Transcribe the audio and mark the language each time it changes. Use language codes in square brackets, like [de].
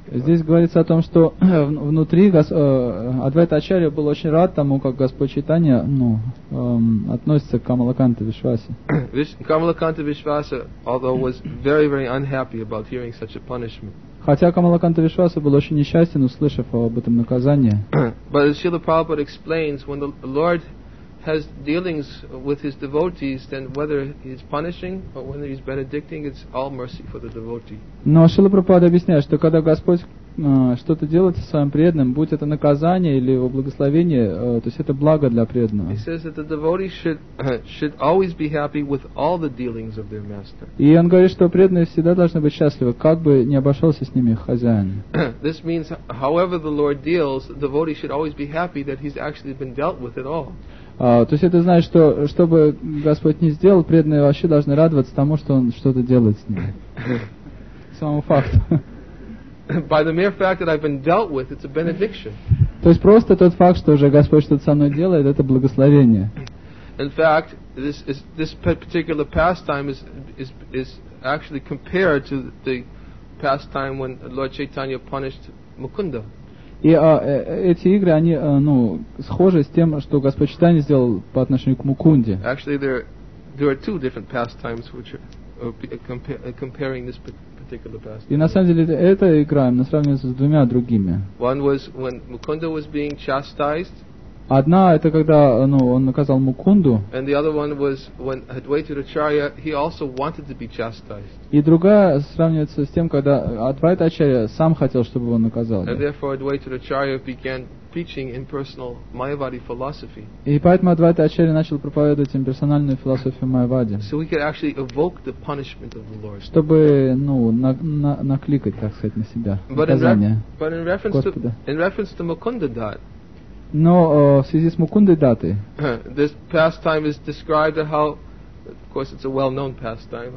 [ru] Здесь говорится о том, что внутри Адвайта Ачарья был очень рад тому, как Господь Чайтанья относится к Камала Канта Вишвасе. [en] Kamala Kanta Vishwasa, although was very, very unhappy about hearing such a punishment. [ru] Хотя Камала Канта Вишваса был очень несчастен, услышав об этом наказании. [en] But as Srila Prabhupada explains, when the Lord has dealings with his devotees, then whether he's punishing or whether he's benedicting, it's all mercy for the devotee. [ru] Но Шрила Прабхупада объясняет, что когда Господь что-то делает со своим преданным, будь это наказание или его благословение, то есть это благо для преданного. [en] He says that the devotee should always be happy with all the dealings of their master. [ru] И он говорит, что преданные всегда должны быть счастливы, как бы ни обошелся с ними хозяин. [en] This means, however the Lord deals, the devotee should always be happy that he's actually been dealt with at all. [ru] То есть это значит, что что бы Господь ни сделал, преданные вообще должны радоваться тому, что Он что-то делает с ними. Самому факту. [en] By the mere fact that I've been dealt with, it's a benediction. [ru] То есть просто тот факт, что уже Господь что-то со мной делает, это благословение. [en] In fact, this particular pastime is actually compared to the pastime when Lord Chaitanya punished Mukunda. [ru] И эти игры, они схожи с тем, что Господь Чайтанья сделал по отношению к Мукунде. [en] Actually, there are two different pastimes which are comparing this particular pastime. [ru] И на самом деле эта игра, она сравнивается с двумя другими. [en] One was when Mukunda was being chastised. [ru] Одна это когда он наказал Мукунду. [en] And the other one was when Advaita Acharya, he also wanted to be chastised. [ru] И другая сравнивается с тем, когда Адвайта Ачарья сам хотел, чтобы его наказали. [en] And therefore Advaita Acharya began preaching impersonal Mayavadi philosophy. [ru] И поэтому Адвайта Ачарья начал проповедовать имперсональную философию Майявади. [en] So he could actually evoke the punishment of the Lord. [ru] Чтобы накликать, так сказать, на себя наказание. [en] But in reference [ru] Господа. [en] to Mukunda Dutt. [ru] Но в связи с Мукундой даты. [en] This pastime is described how, of course, it's a well-known pastime.